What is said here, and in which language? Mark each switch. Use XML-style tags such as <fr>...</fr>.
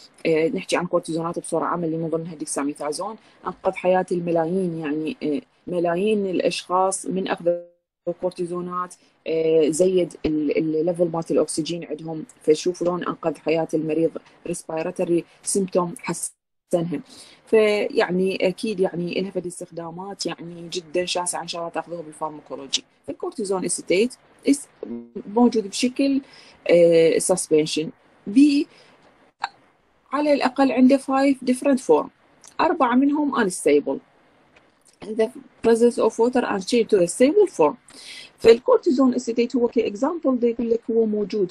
<ar>نحكي عن كورتيزونات بصوره عامه اللي من ضمنها ديكساميثازون، انقذ حياه الملايين، يعني ملايين الاشخاص من اخذ الكورتيزونات، زيد الليفل مالت الاكسجين عندهم، فشوف لون انقذ حياه المريض، ريسبيراتوري سيمتوم حسنها. فيعني اكيد يعني لها فد استخدامات يعني جدا شاسعه، ان شاء الله تاخذوها بالفارماكولوجي. الكورتيزون استيت موجود بشكل سسبنشن بي على الأقل عنده</ar> <en>5 different form،</en> <ar>أربعة منهم</ar> <en>unstable in the presence of water and change to a stable form.</en> <ar>فالكورتيزون استيت هو كإكزامبل ده يقول لك هو موجود.</ar>